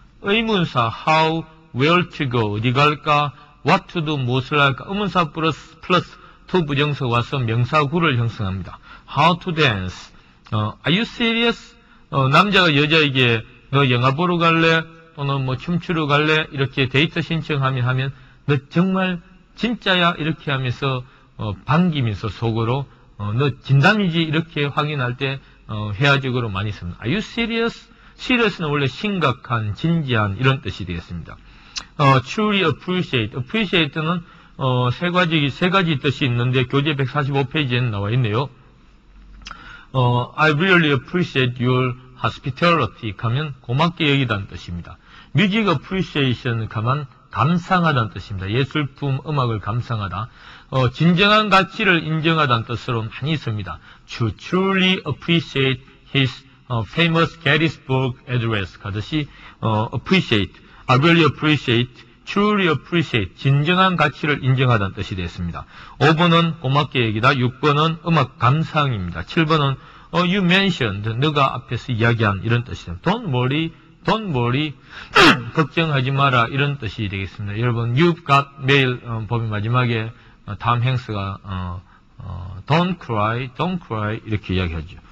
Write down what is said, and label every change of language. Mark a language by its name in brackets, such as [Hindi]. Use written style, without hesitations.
[Korean] 의문사 [English] how, where to go. [Korean] 어디 갈까? [English] What to do. [Korean] 무엇을 할까? 의문사 플러스 to 부정서 와서 명사구를 형성합니다. [English] How to dance. Are you serious? [Korean] 남자가 여자에게 너 영화 보러 갈래? 또는 뭐 춤추러 갈래? 이렇게 데이트 신청하면 너 정말 진짜야? 이렇게 하면서 반기면서 속으로 너 진담이지? 이렇게 확인할 때 회화적으로 많이 씁니다. [English] Are you serious? [Korean] Serious는 원래 심각한, 진지한 이런 뜻이 되겠습니다. [English] Truly appreciate. [Korean] Appreciate는 세 가지 뜻이 있는데 교재 145페이지에 나와 있네요. [English] I really appreciate your hospitality [Korean] 하면 고맙게 여기다는 뜻입니다. [English] Music appreciation [Korean] 하면 감상하다는 뜻입니다. 예술품, 음악을 감상하다. 진정한 가치를 인정하다는 뜻으로 많이 씁니다. [English] To truly appreciate his famous Gettysburg address [Korean] 하듯이 [English] appreciate, I really appreciate, truly appreciate, [Korean] 진정한 가치를 인정하다는 뜻이 되었습니다. 5번은 고맙게 얘기다. 6번은 음악 감상입니다. 7번은 [English] you mentioned, [Korean] 너가 앞에서 이야기한 이런 뜻입니다. [English] Don't worry, [Korean] 걱정하지 마라 이런 뜻이 되겠습니다. 여러분, [English] you've got mail [Korean] 법의 마지막에 다음 행스가 [English] don't cry [Korean] 이렇게 이야기하죠.